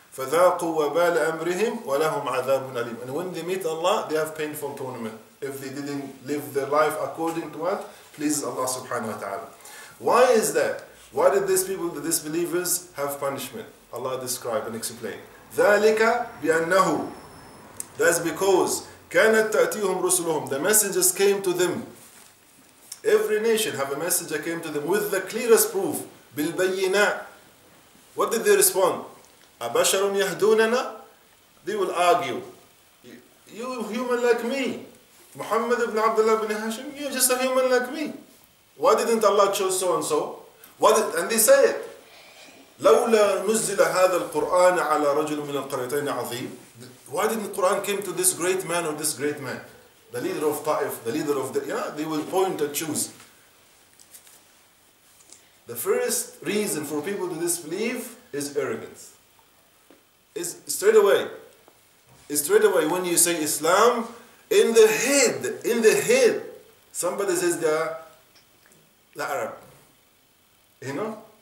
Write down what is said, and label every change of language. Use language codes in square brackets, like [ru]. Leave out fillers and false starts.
[ar] فَذَاقُوا وَبَالَ أَمْرِهِمْ وَلَهُمْ عَذَابٌ أَلِيمٌ. [en] And when they meet Allah, they have painful torment. If they didn't live their life according to what? Please Allah subhanahu wa ta'ala. Why is that? Why did these people, the disbelievers, have punishment? Allah described and explained. [ar] ذَلِكَ بِأَنَّهُ. [en] That's because [ar] كَانَتْ تَأْتِيهُمْ رُسُلُهُمْ. [en] The messengers came to them. Every nation have a messenger came to them with the clearest proof. [ar] بالبينة. [en] What did they respond? [ar] أبشر يهدوننا. [en] They will argue. You human like me. Muhammad ibn Abdullah ibn Hashim, you're just a human like me. Why didn't Allah choose so and so? And they say it. [ar] لولا نزل هذا القرآن على رجل من القريتين عظيم. [en] Why didn't the Quran came to this great man or this great man? The leader of Taif, the leader of the... Yeah, they will point and choose. The first reason for people to disbelieve is arrogance. It's straight away when you say Islam, in the head, somebody says they are the Arab. You know?